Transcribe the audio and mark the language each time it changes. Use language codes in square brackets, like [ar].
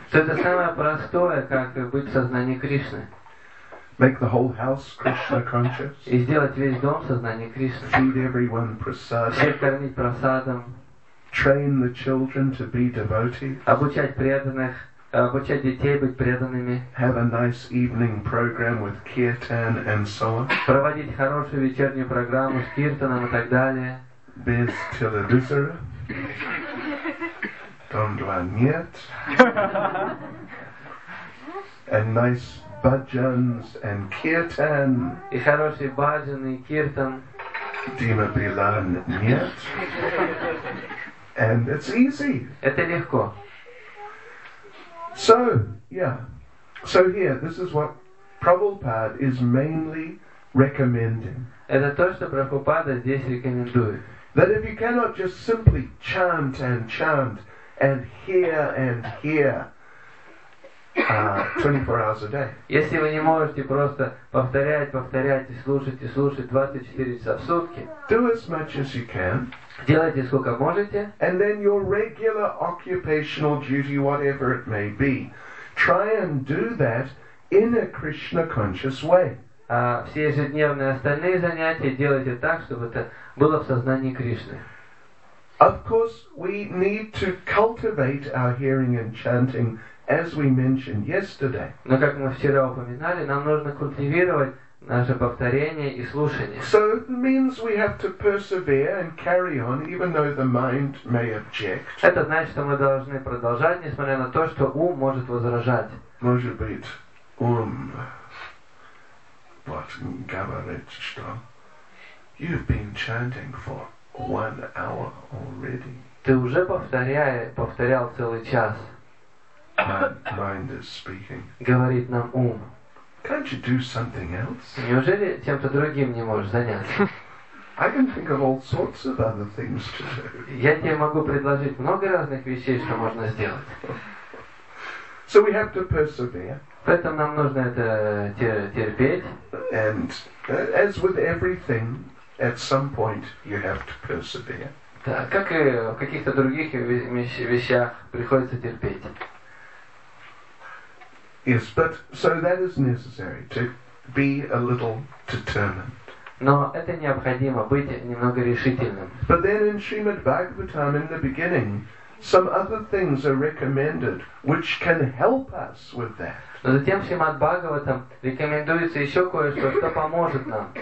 [ru] То это самое простое, как быть в сознании Кришны. [en] Make the whole house Krishna conscious. [ru] И сделать весь дом в сознании Кришны. [en] Feed everyone prasadam. [ru] Всех кормить прасадом. [en] Train the children to be devotees. [ru] Обучать преданных обучать детей быть преданными, [en] have a nice evening program with kirtan and so on, [ru] проводить хорошую вечернюю программу с киртаном и так далее, без телевизора, там два нет, [en] and nice bhajans and kirtan, [ru] и хорошие баджаны и киртан, Дима Билан нет, [en] and it's easy, [ru] это легко. [en] So, yeah. So here, this is what Prabhupada is mainly recommending. [ru] Это то, что Прабхупада здесь рекомендует. [en] That if you cannot just simply chant and chant and hear 24 hours a day. [ru] Если вы не можете просто повторять, повторять и слушать 24 часа в сутки. [en] Do as much as you can. [ru] Делайте сколько можете. [en] And then your regular occupational duty, whatever it may be, try and do that in a Krishna conscious way. [ru] Все ежедневные остальные занятия делайте так, чтобы это было в сознании Кришны. [en] Of course, we need to cultivate our hearing and chanting. As we mentioned yesterday. [ru] Но как мы вчера упоминали, нам нужно культивировать наше повторение и слушание. [en] So it means we have to persevere and carry on, even though the mind may object. [ru] Это значит, что мы должны продолжать, несмотря на то, что ум может возражать. Может быть, ум вот говорит, что [en] you've been chanting for 1 hour already. [ru] Ты уже повторял целый час. [en] Mind is speaking. [ru] Говорит нам ум. [en] Can't you do something else? [ru] Неужели чем-то другим не можешь заняться? [en] I can think of all sorts of other things to do. [ru] Я тебе могу предложить много разных вещей, что можно сделать. [en] So we have to persevere. [ru] Поэтому нам нужно это терпеть. [en] And as with everything, at some point you have to persevere. [ru] Да, как и в каких-то других вещах приходится терпеть. [en] Yes, but so that is necessary to be a little determined. [ru] Но это необходимо быть немного решительным. [en] But then in Srimad Bhagavatam in the beginning, some other things are recommended which can help us with that. [ru] Но затем в Шримад Бхагаватам рекомендуется еще кое-что, что поможет нам.